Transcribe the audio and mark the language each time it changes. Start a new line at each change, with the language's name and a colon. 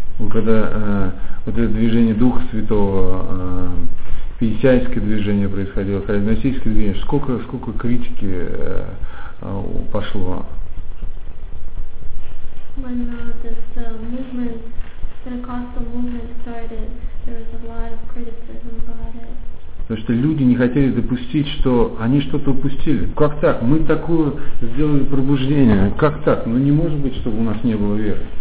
Russian: Вот когда вот это движение Духа Святого, пятидесятническое движение происходило, харизматическое движение, сколько критики пошло.
English: When this movement, Pentecostal movement started, there was a lot of criticism about it.
Russian: Потому что люди не хотели допустить, что они что-то упустили. Как так? Мы такое сделали пробуждение. Как так? Ну не может быть, чтобы у нас не было веры.